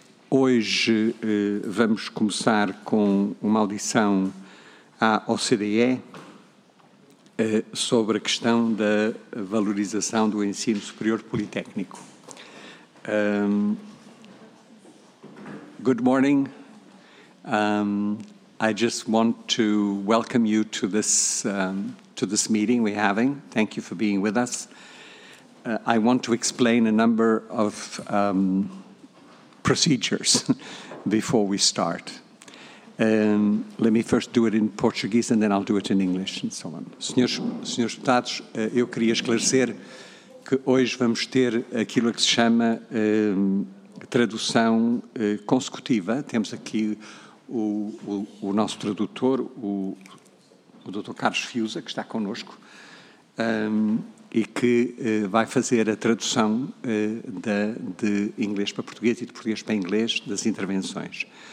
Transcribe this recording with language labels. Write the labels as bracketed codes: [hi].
[pt] Hoje vamos começar com uma audição à OCDE sobre a questão da valorização do ensino superior politécnico. [en] Good morning. I just want to welcome you to this meeting we're having. Thank you for being with us. I want to explain a number of procedures before we start. Let me first do it in Portuguese and then I'll do it in English and so on. [pt] Senhores deputados, eu queria esclarecer que hoje vamos ter aquilo que se chama tradução consecutiva. Temos aqui o nosso tradutor, o Dr. Carlos Fiuza, que está connosco, e que vai fazer a tradução de inglês para português e de português para inglês das intervenções.